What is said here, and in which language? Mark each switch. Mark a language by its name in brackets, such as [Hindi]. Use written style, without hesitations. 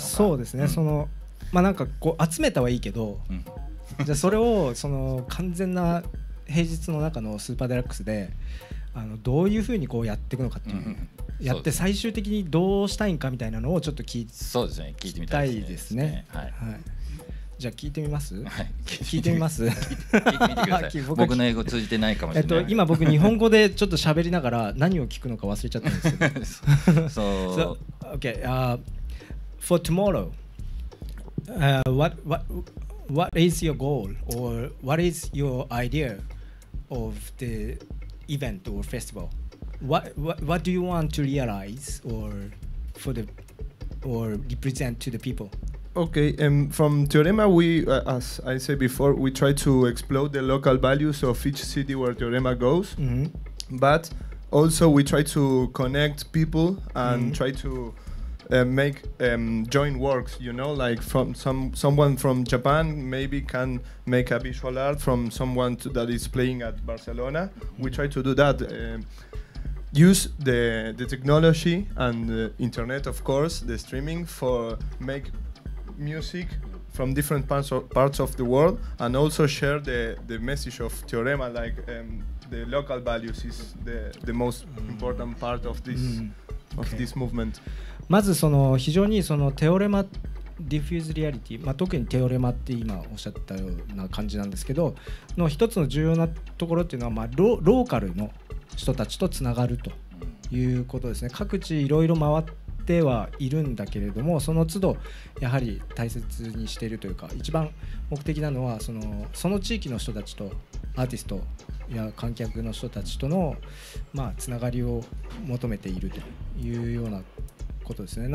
[Japanese] そうですね、うん、そのまあ、なんかこう集めたはいいけど、うん、じゃあそれをその完全な平日の中のスーパーデラックスで、あのどういうふうにこうやっていくのかっていう、うん、やって最終的にどうしたいんかみたいなのをちょっと聞いて、そうですね、聞いてみたいですね。じゃあ聞いてみます、はい、聞いてみます、聞いてみてください 僕の英語通じてないかもしれない、今僕日本語でちょっと喋りながら何を聞くのか忘れちゃったんですけどそう、 [English] so, okay, for tomorrow、what is your goal or what is your idea of the event or festival? What do you want to realize or for the or represent to the people? Okay, from Teorema, we, as I said before, we try to explore the local values of each city where Teorema goes, mm-hmm. but also we try to connect people and mm-hmm. try to make joint works, you know, like from someone from Japan maybe can make a visual art from someone that is playing at Barcelona. We try to do that. Use the technology and the internet, of course, the streaming for make... music from different parts of the world, and also share the message of Teorema, like the local values is the most important part of this、mm. okay. of this movement. [Japanese] まずその非常にそのテオレマディフューズリアリティ、まあ、特にテオレマって今おっしゃったような感じなんですけど、の一つの重要なところっていうのは、まあ、ローカルの人たちとつながるということですね。各地いろいろ回ってではいるんだけれども、その都度やはり大切にしているというか、一番目的なのはその地域の人たちと、アーティストや観客の人たちとの、まあ、つながりを求めているというようなことですね。